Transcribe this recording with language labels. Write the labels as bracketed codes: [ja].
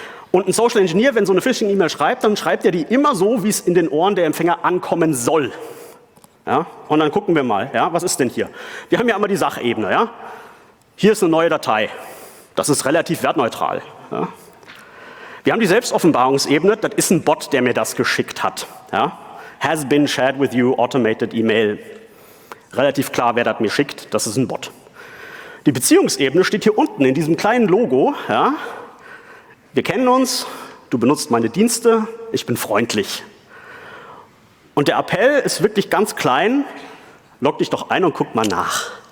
[de] Und ein Social Engineer, wenn so eine Phishing-E-Mail schreibt, dann schreibt er die immer so, wie es in den Ohren der Empfänger ankommen soll. Ja? Und dann gucken wir mal, ja? Was ist denn hier? Wir haben ja immer die Sachebene. Ja? Hier ist eine neue Datei. Das ist relativ wertneutral. Ja? Wir haben die Selbstoffenbarungsebene. Das ist ein Bot, der mir das geschickt hat. Ja? [en] Has been shared with you automated email. [de] Relativ klar, wer das mir schickt. Das ist ein Bot. Die Beziehungsebene steht hier unten in diesem kleinen Logo. Ja? Wir kennen uns, du benutzt meine Dienste, ich bin freundlich. Und der Appell ist wirklich ganz klein, log dich doch ein und guck mal nach.